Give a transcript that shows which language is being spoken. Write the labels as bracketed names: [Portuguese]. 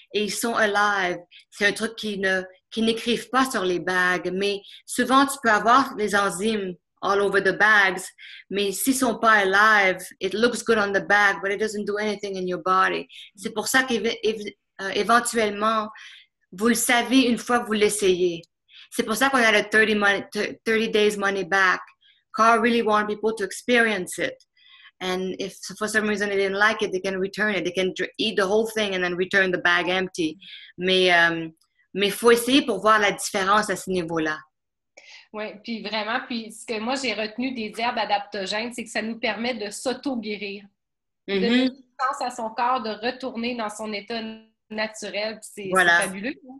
[French] Et ils sont alive. C'est un truc qui n'écrivent pas sur les bagues, mais souvent, tu peux avoir les enzymes [English] all over the bags, [French] mais s'ils ne sont pas alive, [English] it looks good on the bag, but it doesn't do anything in your body. [French] C'est pour ça qu'éventuellement, vous le savez une fois que vous l'essayez. C'est pour ça qu'on a le [English] 30 days money back. Carl really wants people to experience it. And if for some reason they didn't like it, they can return it. They can eat the whole thing and then return the bag empty. [French] Mais il faut essayer pour voir la différence à ce niveau-là. Oui, puis vraiment, puis ce que moi j'ai retenu des herbes adaptogènes, c'est que ça nous permet de s'auto-guérir. Mm-hmm. De donner une chance à son corps de retourner dans son état naturel. Puis c'est fabuleux. Hein?